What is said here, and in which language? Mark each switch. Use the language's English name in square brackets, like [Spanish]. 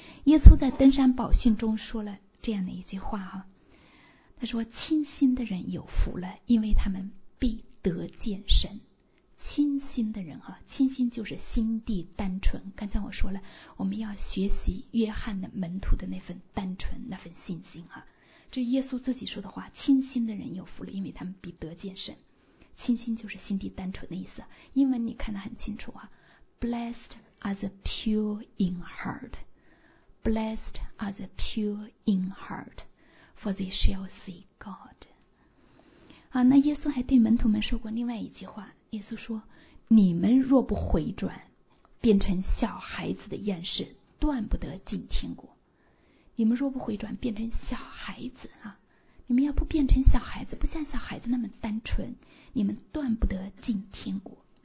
[Chinese] 耶稣在登山宝训中说了这样的一句话哈，他说：“清心的人有福了，因为他们必得见神。” 清心的人哈，清心就是心地单纯。刚才我说了，我们要学习约翰的门徒的那份单纯那份信心哈，这耶稣自己说的话，清心的人有福了，因为他们必得见神。清心就是心地单纯的意思，英文你看得很清楚啊， [English] Blessed are the pure in heart, Blessed are the pure in heart, for they shall see God. [Chinese] 好，那耶稣还对门徒们说过另外一句话，耶稣说，你们若不回转，变成小孩子的样式，断不得进天国。你们若不回转，变成小孩子啊！你们要不变成小孩子，不像小孩子那么单纯，你们断不得进天国。